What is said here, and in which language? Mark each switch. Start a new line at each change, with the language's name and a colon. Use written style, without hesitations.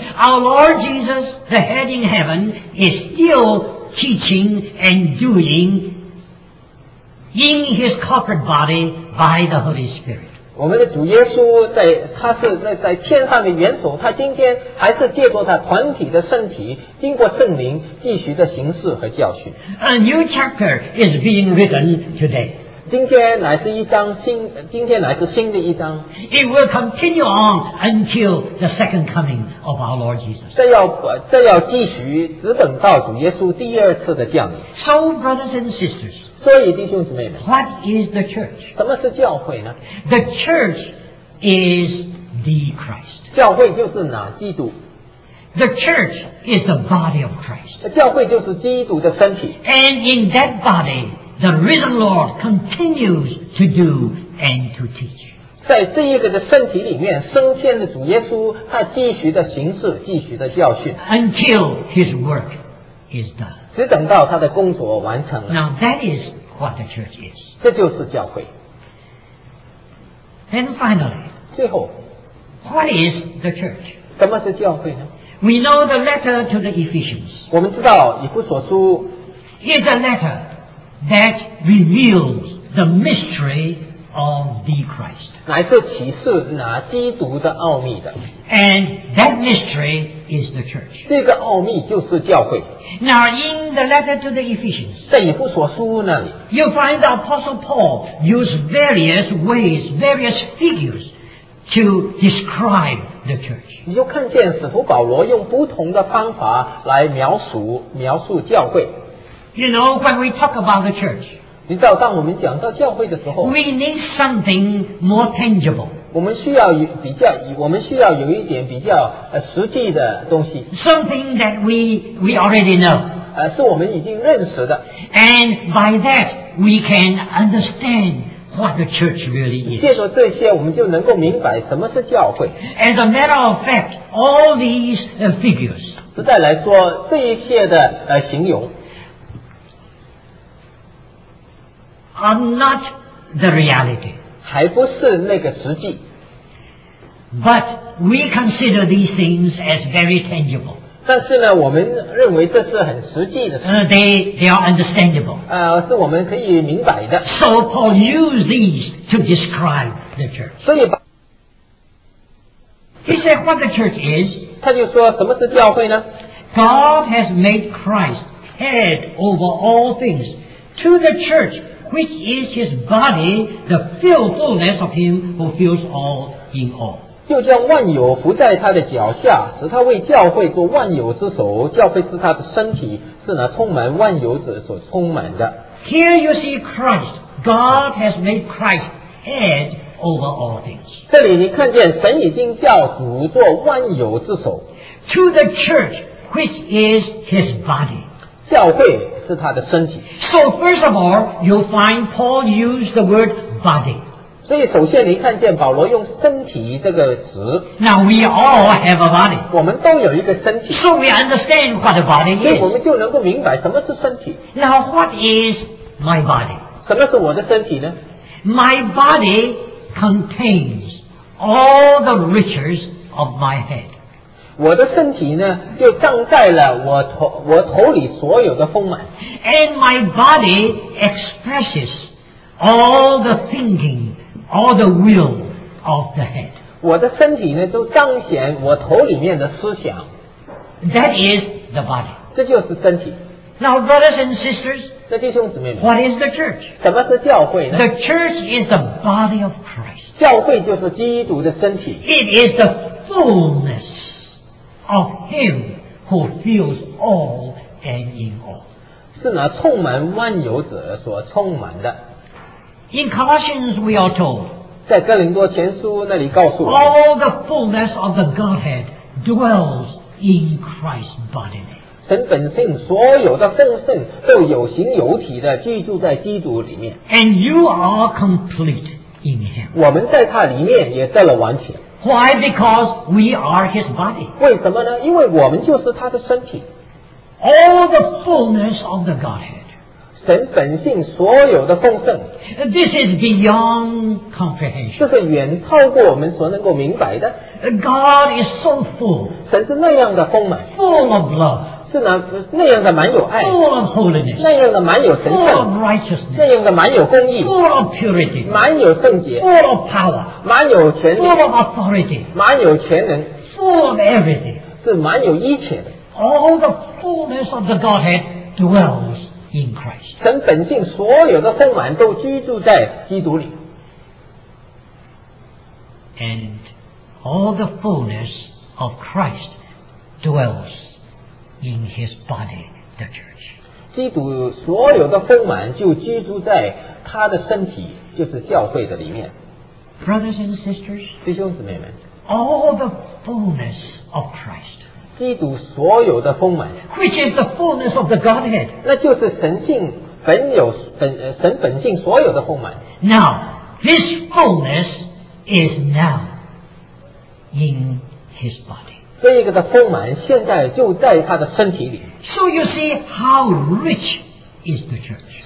English: Our Lord Jesus the head in heaven is still teaching and doing in his corporate body by the Holy Spirit
Chinese: 我们的主耶稣在他是在天上的元首他今天还是借助他团体的身体经过圣灵继续的行事和教训
English: A new chapter is being written today
Chinese: 今天乃是新的一章
English: It will continue on until the second coming of our Lord Jesus
Chinese: 这要继续只等到主耶稣第二次的降临
English: So brothers and sisters
Chinese: 所以弟兄姊妹们
English: What is the church?
Chinese: 什么是教会呢
English: The church is the Christ
Chinese: 教会就是哪基督
English: The church is the body of Christ
Chinese: 教会就是基督的身体
English: And in that body The risen Lord continues to do and to teach
Chinese: 在这一个的身体里面升天的主耶稣，他继续的行事，继续的教训。
English: Until his work is done.
Chinese: 只等到他的工作完成了。
English: Now that is what the church is.
Chinese: 这就是教会。
English: And finally,
Chinese: 最后
English: what is the church?
Chinese: 什么是教会呢？
English: We know the letter to the Ephesians.
Chinese: 我们知道以弗所书
English: is a letter that reveals the mystery of the Christ.
Chinese: 乃是启示拿基督的奥秘的。
English: And that mystery is the church.
Chinese: 这个奥秘就是教会。
English: Now in the letter to the Ephesians,
Chinese: 在以弗所书那里
English: you find the Apostle Paul used various ways, various figures to describe the church.
Chinese: 你就看见使徒保罗用不同的方法来描述教会。
English: You know, when we talk about the church,
Chinese: 你知道当我们讲到教会的时候
English: We need something more tangible.
Chinese: 我们需要有一点比较实际的东西
English: Something that we already know.
Chinese: 是我们已经认识的
English: And by that we can understand what the church really is.
Chinese: 借着这些我们就能够明白什么是教会
English: As a matter of fact, all these figures.
Chinese: 实在来说这一切的形容
English: Are not the reality.
Chinese: 还不是那个实际。
English: But we consider these things as very tangible.
Chinese: 但是呢，我们认为这是很实际的。
English: They are understandable.
Chinese: 是我们可以明白的。
English: So Paul used these to describe the church.
Chinese: 所以吧
English: He said what the church is.
Chinese: 他就说什么是教会呢？
English: God has made Christ head over all things to the church. Which is his body, the fullness of him who fills all in all.
Chinese: 就将万有伏在他的脚下，使他为教会做万有之首。教会是他的身体，是那充满万有者所充满的。
English: Here you see Christ. God has made Christ head over all things.
Chinese: 这里你看见神已经叫主做万有之首。
English: To the church, which is his body.
Chinese: 教会。是他的身体。
English: So first of all, you find Paul used the word body.
Chinese: 所以首先你看见保罗用身体这个词。
English: Now we all have a body.
Chinese: 我们都有一个身体。
English: So we understand what the body is.
Chinese: 所以我们就能够明白什么是身体。
English: Now what is my body?
Chinese: 什么是我的身体呢？
English: My body contains all the riches of my head.
Chinese: 我的身体呢，就装载了我头里所有的丰满。
English: And my body expresses all the thinking, all the will of the head.
Chinese: 我的身体呢，都彰显我头里面的思想。
English: That is the body.
Chinese: 这就是身体。
English: Now, brothers and sisters,
Chinese: 那弟兄姊妹们
English: what is the church?
Chinese: 什么是教会呢？
English: The church is the body of Christ.
Chinese: 教会就是基督的身体。
English: It is the fullness. Of him who fills all and in all.
Chinese: 是那充满万有者所充满的。
English: In Colossians we are told,
Chinese: 在哥林多前书那里告诉我
English: 们 all the fullness of the Godhead dwells in Christ bodily.
Chinese: 神本性所有的丰盛都有形有体的居住在基督里面。
English: And you are complete in him.
Chinese: 我们在他里面也得了完全。
English: Why? Because we are his body.
Chinese: 为什么呢？因为我们就是他的身体。
English: All the fullness of the Godhead.
Chinese: 神本性所有的丰盛。
English: This is beyond comprehension.
Chinese: 这是远超过我们所能够明白的。
English: God is so full.
Chinese: 神是那样的丰满。
English: Full of love.
Chinese: 是那样的满有爱。
English: Full of holiness.
Chinese: 那样的满有神圣。
English: Full of righteousness.
Chinese: 那样的满有公义。
English: Full of purity.
Chinese: 满有圣洁。
English: Full of power.
Chinese: 满有权
English: 能 Full of authority.
Chinese: 满有权能
English: Full of everything.
Chinese: 是满有一切的。
English: All the fullness of the Godhead dwells in Christ.
Chinese: 神本性所有的丰满都居住在基督里。
English: And all the fullness of Christ dwells in his body, the church.
Chinese: 基督所有的丰满就居住在他的身体，就是教会的里面。
English: Brothers and sisters,
Chinese: 弟兄姊妹们
English: all the fullness of Christ,
Chinese: 基督所有的丰满
English: which is the fullness of the Godhead,
Chinese: 那就是神性本有神本性所有的丰满
English: Now, this fullness is now in his body.
Chinese: 这个的丰满现在就在他的身体里。
English: So you see how rich is the church.